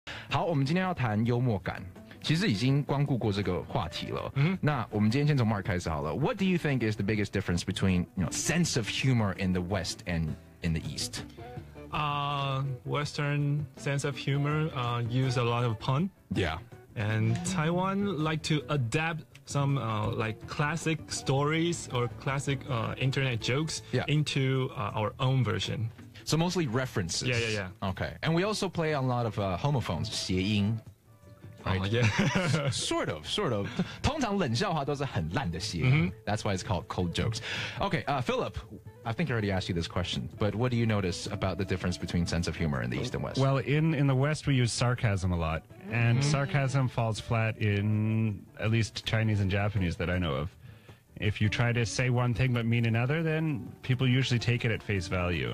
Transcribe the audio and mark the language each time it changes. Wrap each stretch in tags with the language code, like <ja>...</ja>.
<zh>好，我们今天要谈幽默感。其实已经光顾过这个话题了。那我们今天先从 Mark 开始好了。</zh> <en>What do you think is the biggest difference between, you know, sense of humor in the West and in the East? Western sense of humor, use a lot of pun. Yeah. And Taiwan like to adapt some, like classic stories or classic, internet jokes yeah. into, our own version. So mostly references. Yeah, yeah, yeah. Okay. And we also play a lot of, homophones, 谐音。 Right. Oh, yeah. sort of.</en> <zh>通常冷笑话都是很烂的谐音、 mm-hmm.</zh> <en>That's why it's called cold jokes. Okay, Philip, I think I already asked you this question, but what do you notice about the difference between sense of humor in the East and West? Well, in the West, we use sarcasm a lot, and、mm-hmm. sarcasm falls flat in at least Chinese and Japanese that I know of. If you try to say one thing but mean another, then people usually take it at face value.</en>